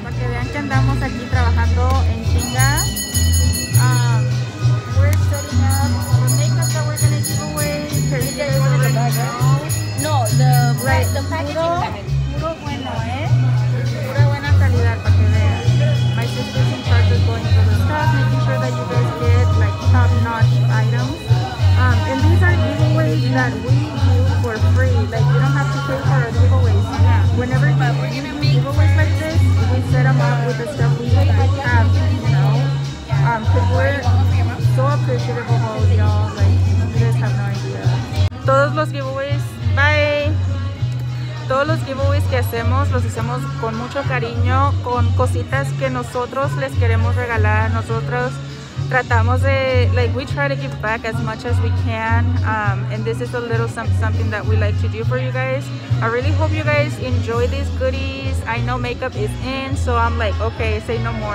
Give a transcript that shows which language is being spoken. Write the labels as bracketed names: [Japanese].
[Spanish] Para que vean que andamos aquí trabajando en chinga. [English] We're setting up the makeup that we're gonna give away. Because you guys want to know. No, the right, the packaging. [Spanish] Puro bueno, eh? Pura buena calidad, para que vean. [English] My sister's in charge of going through the stuff, making sure that you guys get like top notch items. And these are giveaways that we do for free. Like, you don't have to pay for our giveaways. Yeah. Whenever but we're gonna make giveaways like this, we set them up with the stuff we already have, you know? Because we're so appreciative of all of y'all. Like, you guys have no idea. [Spanish] Todos los giveaways. Bye! Todos los giveaways que hacemos, los hacemos con mucho cariño, con cositas que nosotros les queremos regalar. Nosotros tratamos de, [English] like, we try to give back as much as we can. And this is a little something that we like to do for you guys. I really hope you guys enjoy these goodies. I know makeup is in, so I'm like, okay, say no more.